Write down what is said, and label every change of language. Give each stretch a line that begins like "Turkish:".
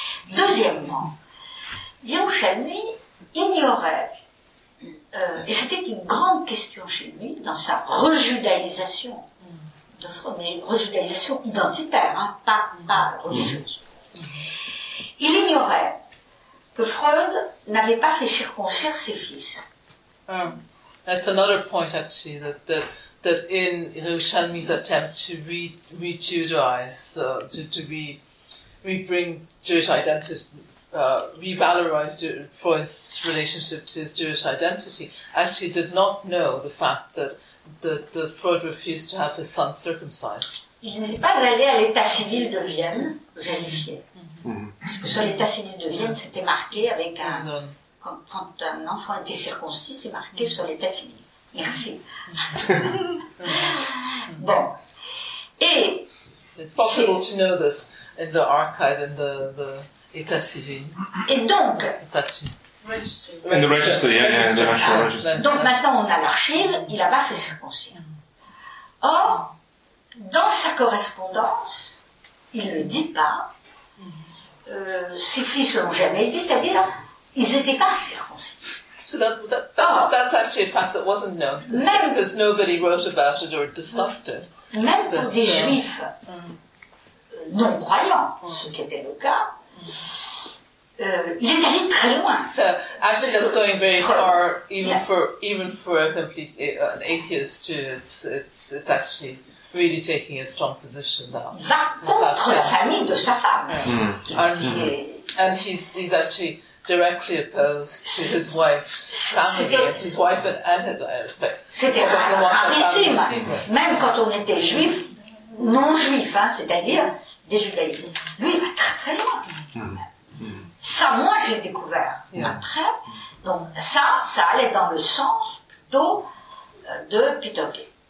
French: Deuxièmement, Yerushalmi ignorait, et c'était une grande question chez lui, dans sa rejudaïsation, de Freud, mais une rejudaïsation identitaire, hein, pas religieuse. Il ignorait que Freud n'avait pas fait circoncire ses fils.
English: That's another point, actually, that in Yerushalmi's attempt to re-bring Jewish identity, revalorized Freud's relationship to his Jewish identity, actually did not know the fact that Freud refused to have his son circumcised.
French: Il n'est pas allé à l'état civil de Vienne vérifier. Parce que sur l'état civil de Vienne, c'était marqué avec un... Quand un enfant était circoncis, c'est marqué sur l'état civil. Merci. Bon. Et...
English: It's possible to know this in the archives, in the état civil.
French: Et donc, donc maintenant on a l'archive, il n'a pas fait circoncire. Or, dans sa correspondance, il ne le dit pas, ses fils ne l'ont jamais dit, c'est-à-dire, ils n'étaient pas circoncis.
English: So that's actually a fact that wasn't known, because nobody wrote about it or discussed it.
French: Même pour des juifs non-croyants, ce qui était le cas, il est allé très loin.
English: So, actually, that's going very far, even for a complete an atheist Jew. It's actually really taking a strong position now.
French: Va contre la famille de sa femme.
English: And he's actually directly opposed to his wife's family, and his wife and her family.
French: C'était rarissime. Même quand on était juif, non juif, hein, c'est-à-dire des judaïsés. Lui, il va très très loin. Ça, moi, j'ai découvert après. Donc, ça allait dans le sens plutôt de Peter Gay.